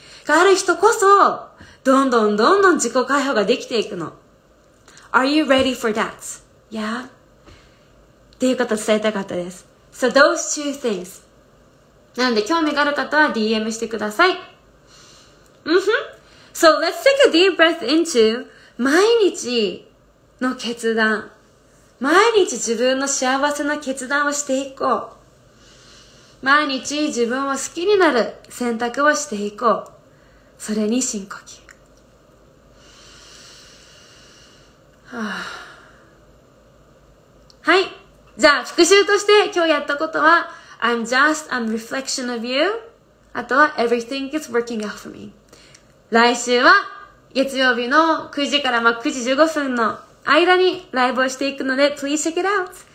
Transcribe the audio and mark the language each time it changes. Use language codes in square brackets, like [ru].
[ja] がある人こそ、どんどんどんどん自己解放ができていくの。 [en] Are you ready for that? Yeah? [ja] っていうことを伝えたかったです。 [en] So those two things. [ja] なので興味がある方は DM してください。 Mm-hmm. [en] So let's take a deep breath into [ja] 毎日の決断。毎日自分の幸せな決断をしていこう。毎日自分を好きになる選択をしていこう。それに深呼吸。はい。じゃあ、復習として今日やったことは、 [en] I'm just a reflection of you. [ja] あとは、 [en] everything is working out for me. [ja] 来週は、月曜日の9時から9時15分の間にライブをしていくので、 [en] please check it out.